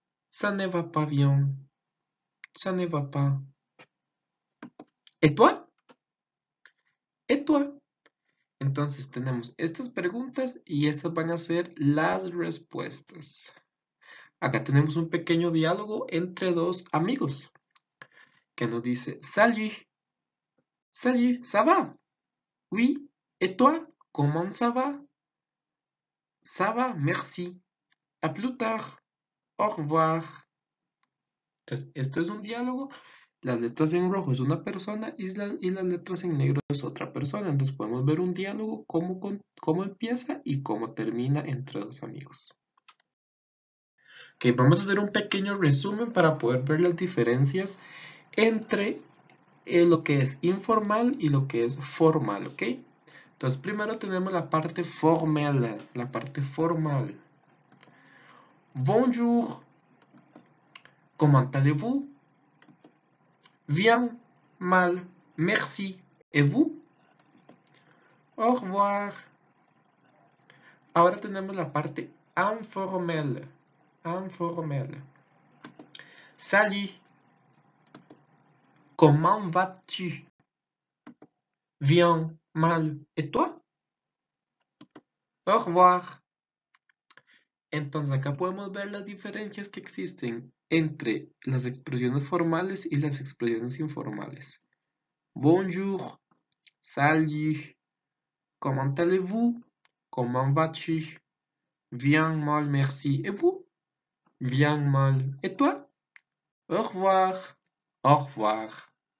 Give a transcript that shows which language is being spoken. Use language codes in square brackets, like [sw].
[fr] Ça ne va pas bien. Ça ne va pas. ¿Et toi? ¿Et toi? [es] Entonces tenemos estas preguntas y estas van a ser las respuestas. Acá tenemos un pequeño diálogo entre dos amigos que nos dice, salut. [fr] Salut, ça va? Oui, ¿et toi? ¿Comment ça va? Ça va, merci. À plus tard. [es] Entonces, esto es un diálogo. Las letras en rojo es una persona y las letras en negro es otra persona. Entonces podemos ver un diálogo, cómo empieza y cómo termina entre dos amigos. Vamos a hacer un pequeño resumen para poder ver las diferencias entre lo que es informal y lo que es formal, ¿ok? Entonces primero tenemos la parte formal, la parte formal. [fr] Bonjour, comment allez-vous? Bien, mal, merci. ¿Y vous? Au revoir. [es] Ahora tenemos la parte informal. Informal. [fr] Salut. Comment vas-tu? Bien, mal. ¿Y toi? Au revoir. [es] Entonces acá podemos ver las diferencias que existen entre las expresiones formales y las expresiones informales. [fr] Bonjour, salut, comment allez-vous? Comment vas-tu? Bien, mal, merci. Et vous? Bien, mal. Et toi? Au revoir. Au revoir.